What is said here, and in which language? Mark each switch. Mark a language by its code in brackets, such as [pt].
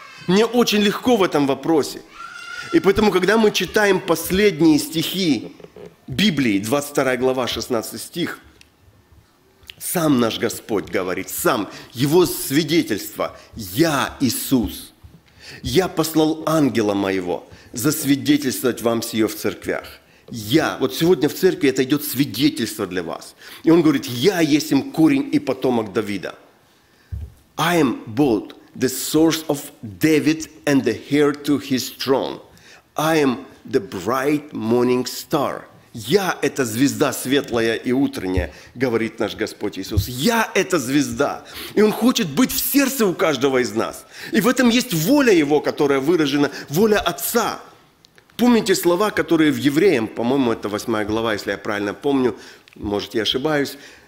[ru] Мне очень легко в этом вопросе. И поэтому, когда мы читаем последние стихи Библии, 22 глава, 16 стих, сам наш Господь говорит, сам, Его свидетельство, Я Иисус, Я послал ангела моего, засвидетельствовать вам сие в церквях. Я, вот сегодня в церкви это идет свидетельство для вас. И он говорит, я есмь корень и потомок Давида. [en] I am both the source of David and the heir to his throne. I am the bright morning star. [ru] Я эта звезда светлая и утренняя, говорит наш Господь Иисус. Я эта звезда. И Он хочет быть в сердце у каждого из нас. И в этом есть воля Его, которая выражена, воля Отца. Помните слова, которые в Евреям, по-моему, это 8 глава, если я правильно помню, может, я ошибаюсь.